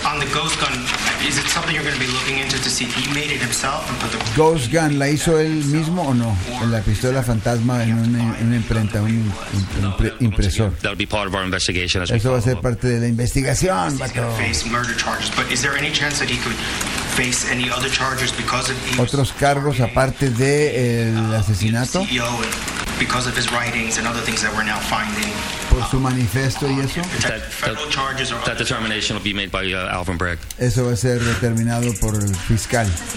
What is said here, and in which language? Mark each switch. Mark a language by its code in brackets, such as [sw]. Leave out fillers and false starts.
[en] On the ghost gun, is it something you're going to be looking into to see if he made it himself and put the ghost gun? [es] ¿La hizo él mismo o no? ¿En la pistola fantasma en una imprenta, un impresor? [en] That'll be part of our investigation. [es] Eso va a ser parte de la investigación. [en] Face murder charges, but is there any chance that he could face any other charges because of [es] otros cargos aparte de el asesinato? [en] Because of his writings and other things that we're now finding. [es] Por su manifesto y eso. [en] That determination will be made by Alvin Bragg. [es] Eso va a ser determinado por el fiscal.